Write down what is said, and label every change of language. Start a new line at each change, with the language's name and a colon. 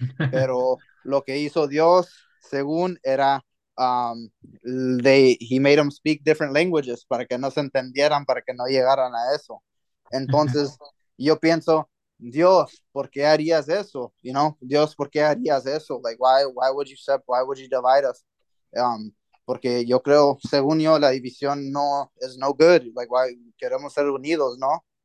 Spanish: Pero lo que hizo Dios, según era,
English: he made them speak different languages
Spanish: para que no se entendieran, para que no llegaran a eso. Entonces, yo pienso, Dios, ¿por qué harías eso? Dios, ¿por qué harías eso?
English: Why would you separate, why would you divide us?
Spanish: Porque yo creo, según yo, la división no es
English: no good. Why
Spanish: queremos ser unidos, ¿no?